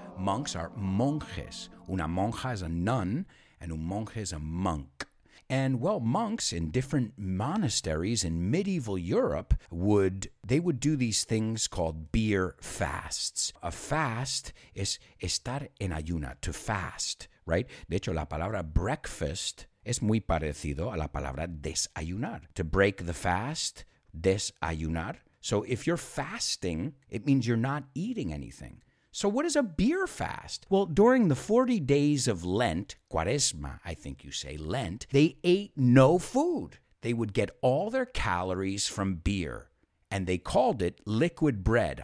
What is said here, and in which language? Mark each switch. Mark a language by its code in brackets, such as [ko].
[en] Monks are monjes. Una monja is a nun, and un monje is a monk. And, well, monks in different monasteries in medieval Europe would do these things called beer fasts. A fast is [es] estar en ayuna, [en] to fast, right? [es] De hecho, la palabra breakfast es muy parecido a la palabra desayunar. [en] To break the fast, desayunar. So if you're fasting, it means you're not eating anything. So what is a beer fast? Well, during the 40 days of Lent, Quaresma, I think you say, Lent, they ate no food. They would get all their calories from beer, and they called it liquid bread.